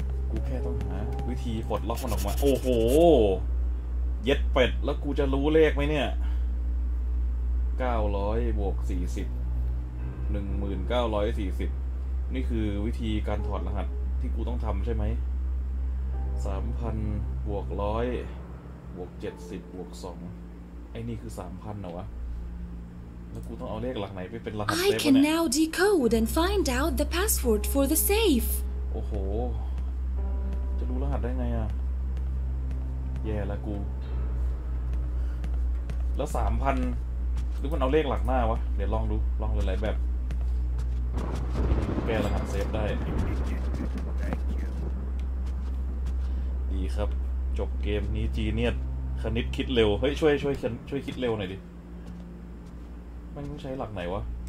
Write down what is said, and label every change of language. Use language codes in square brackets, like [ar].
[th] กูแค่ต้องหาวิธีปลดล็อกมันออกมาโอ้โหเย็ดเป็ดแล้วกูจะรู้เลขไหมเนี่ย900บวก40 1940นี่คือวิธีการถอดรหัสที่กูต้องทำใช่ไหม 3,000 บวก100บวก70บวก2ไอ้นี่คือ 3,000 นะวะแล้วกูต้องเอาเลขหลักไหนไปเป็นรหัสเซฟเนี่ย [en] I can now decode and find out the password for the safe [th] โอ้โหจะรู้รหัสได้ไงอ่ะแย่ละกูแล้ว 3,000 หรือมันเอาเลขหลักหน้าวะเดี๋ยวลองดูลองหลายแบบแก้รหัสเซฟได้ดีครับจบเกมนี้จีเนียสคณิตคิดเร็วเฮ้ยช่วยคิดเร็วหน่อยดิมันต้องใช้หลักไหนวะ